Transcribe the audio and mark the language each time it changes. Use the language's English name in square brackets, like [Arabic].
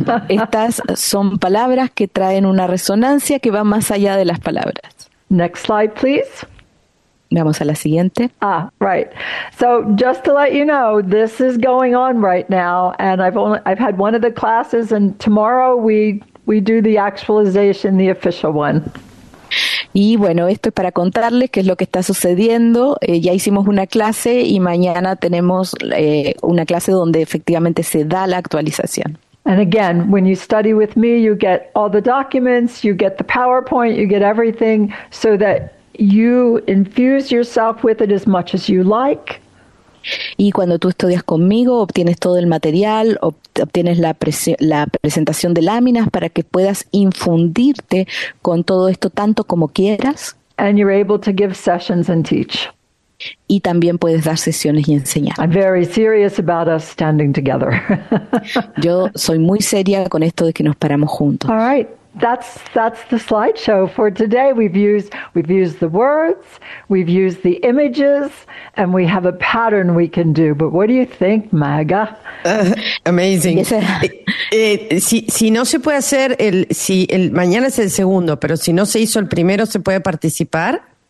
[Spanish] Estas son palabras que traen una resonancia que va más allá de las palabras. [English] Next slide, please. [Spanish] Vamos a la siguiente. [English] Ah, right. So just to let you know, this is going on right now and I've had one of the classes and tomorrow we do the actualization, the official one. [Spanish] Y bueno, esto es para contarles qué es lo que está sucediendo. Ya hicimos una clase y mañana tenemos una clase donde efectivamente se da la actualización. [English] And again, when you study with me, you get all the documents, you get the PowerPoint, you get everything so that you infuse yourself with it as much as you like. [Spanish] Y cuando tú estudias conmigo, obtienes todo el material, obtienes la presentación de láminas para que puedas infundirte con todo esto tanto como quieras. [English] And you're able to give sessions and teach. [Spanish] Y también puedes dar sesiones y enseñar. [English] I'm very serious about us standing together. [Spanish] Yo soy muy seria con esto de que nos paramos juntos. [English] All right. That's the slideshow for today. We've used the words, we've used the images, and we have a pattern we can do. But what do you think, Maga? Amazing. Yes. [Spanish] Si no se puede hacer el, si el mañana es el segundo, pero si no se hizo el primero, ¿se puede participar?